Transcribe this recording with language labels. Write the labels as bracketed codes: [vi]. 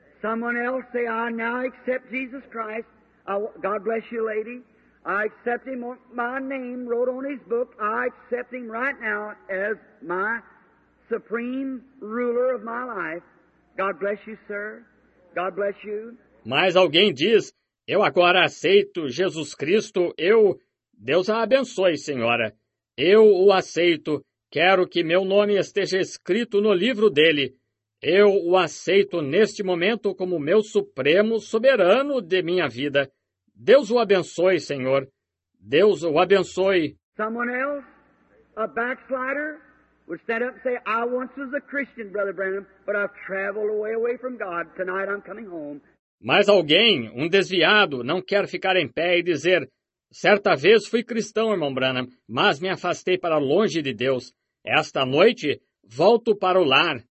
[en] Someone else say, I now accept Jesus Christ. God bless you, lady. I accept him, my name wrote on his book. I accept him right now as my supreme ruler of my life. God bless you, sir. God bless you. [pt] Mas alguém diz, eu agora aceito Jesus Cristo, Deus a abençoe, senhora. Eu o aceito. quero que meu nome esteja escrito no livro dele. Eu o aceito neste momento como meu supremo soberano de minha vida. Deus o abençoe, Senhor. Deus o abençoe. [en] Someone else, a backslider, would stand up and say, I once was a Christian, Brother Branham, but I've traveled away from God. Tonight I'm coming home. [pt] Mas alguém, um desviado, não quer ficar em pé e dizer, certa vez fui cristão, irmão Branham, mas me afastei para longe de Deus. Esta noite, volto para o lar.